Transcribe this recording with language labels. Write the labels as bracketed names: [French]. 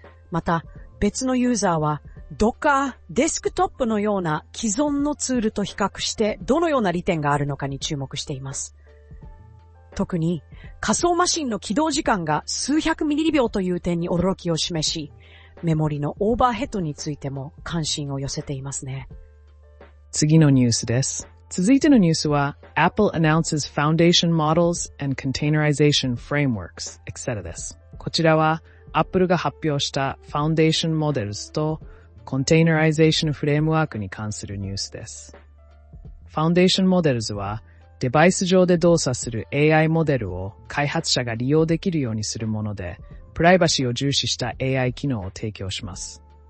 [Japanese] また、別のユーザーは、Docker、デスクトップのような既存のツールと比較して、どのような利点があるのかに注目しています。特に、仮想マシンの起動時間が数百ミリ秒という点に驚きを示し、メモリのオーバーヘッドについても関心を寄せていますね。次のニュースです。続いてのニュースは、 [English] Apple announces Foundation Models and Containerization Frameworks, etc. [Japanese] です。こちらは、Apple が発表した Foundation Models と Containerization Framework に関するニュースです。 Foundation Models は、デバイス上で動作する AI モデルを開発者が利用できるようにするもので、プライバシーを重視した AI 機能を提供します。